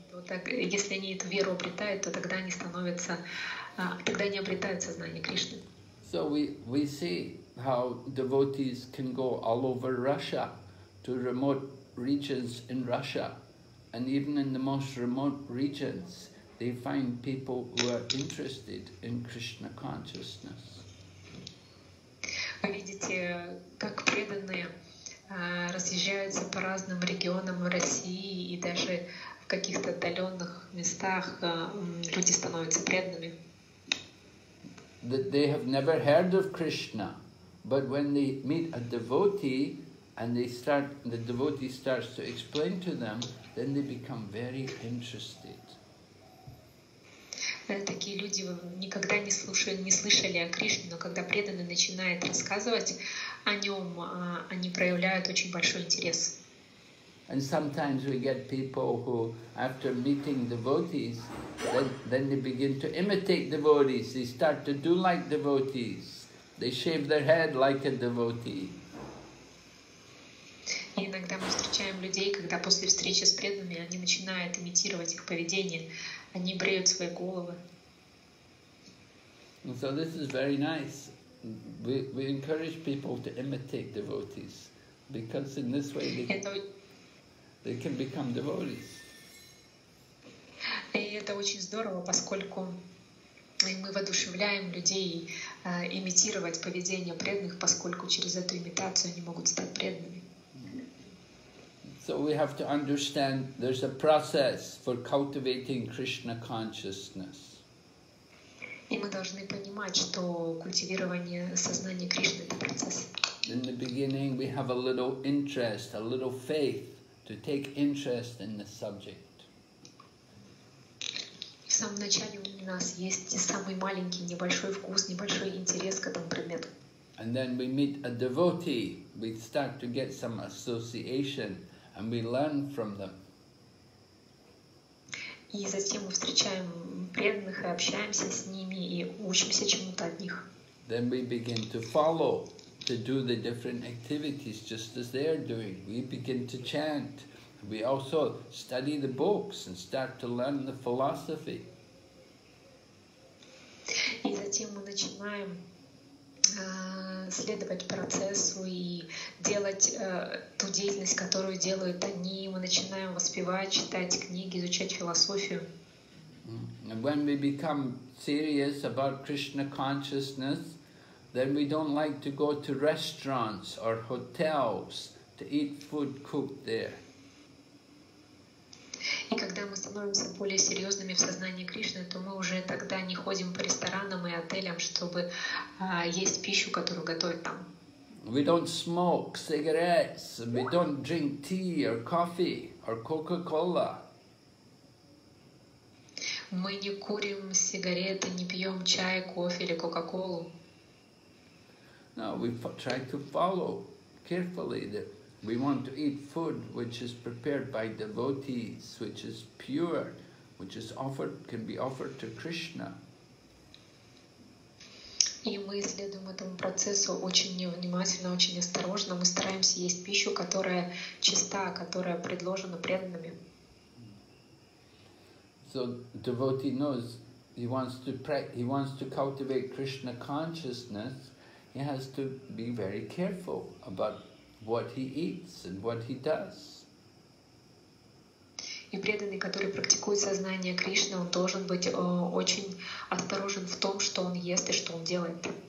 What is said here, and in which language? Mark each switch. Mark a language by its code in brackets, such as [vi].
[ru] Вот так, если они эту веру обретают, то тогда они становятся, тогда они обретают сознание Кришны. [en] So we see how devotees can go all over Russia, to remote regions in Russia, and even in the most remote regions, they find people who are interested in Krishna consciousness. [ru] Вы видите, как преданные разъезжаются по разным регионам России, и даже в каких-то отдаленных местах люди становятся преданными. [en] That they have never heard of Krishna, but when they meet a devotee and the devotee starts to explain to them, then they become very interested. [ru] Такие люди никогда не слышали о Кришне, но когда преданный начинает рассказывать о нем, они проявляют очень большой интерес. [en] And sometimes we get people who, after meeting devotees, then they begin to imitate devotees. They start to do like devotees. They shave their head like a devotee. [ru] И иногда мы встречаем людей, когда после встречи с преданными они начинают имитировать их поведение. Они бреют свои головы. [en] And so this is very nice. We encourage people to imitate devotees, because in this way they can become devotees. [ru] И это очень здорово, поскольку мы воодушевляем людей имитировать поведение преданных, поскольку через эту имитацию они могут стать преданными. [en] So we have to understand there's a process for cultivating Krishna consciousness. [ru] И мы должны понимать, что культивирование сознания Кришны — это процесс. [en] In the beginning we have a little interest, a little faith to take interest in the subject. [ru] В самом начале у нас есть самый маленький, небольшой вкус, небольшой интерес к этому предмету. [en] And then we meet a devotee, we start to get some association, and we learn from them. [ru] И затем мы встречаем преданных и общаемся с ними и учимся чему-то от них. [en] Then we begin to follow, to do the different activities just as they are doing. We begin to chant. We also study the books and start to learn the philosophy. [ru] И затем мы начинаем следовать процессу и делать ту деятельность, которую делают они. Мы начинаем воспевать, читать книги, изучать философию. [en] And when we become serious about Krishna consciousness, then we don't like to go to restaurants or hotels to eat food cooked there. [ru] И когда мы становимся более серьезными в сознании Кришны, то мы уже тогда не ходим по ресторанам и отелям, чтобы есть пищу, которую готовят там. [en] We don't smoke cigarettes, we don't drink tea or coffee or Coca-Cola. [ru] Мы не курим сигареты, не пьем чай, кофе или Кока-Колу. [en] No, we try to follow carefully that we want to eat food which is prepared by devotees, which is pure, which is offered, can be offered to Krishna. [ru] И мы следуем этому процессу очень внимательно, очень осторожно. Мы стараемся есть пищу, которая чиста, которая предложена преданными. [en] So devotee knows he wants to cultivate Krishna consciousness. He has to be very careful about what he eats and what he does. [ru] И преданный, который практикует сознание Кришны, он должен быть очень осторожен в том, что он ест и что он делает.